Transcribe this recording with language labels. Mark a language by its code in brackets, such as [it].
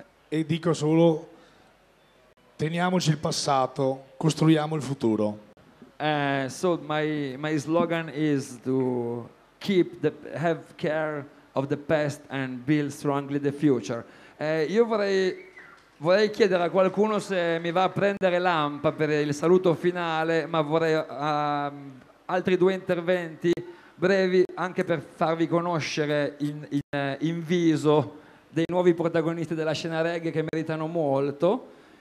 [it] E dico solo, teniamoci il passato, costruiamo il futuro. [en] So my slogan is to keep the have care of the past and build strongly the future. [it] Io vorrei chiedere a qualcuno se mi va a prendere l'ampa per il saluto finale, ma vorrei altri due interventi brevi anche per farvi conoscere in viso dei nuovi protagonisti della scena reggae che meritano molto.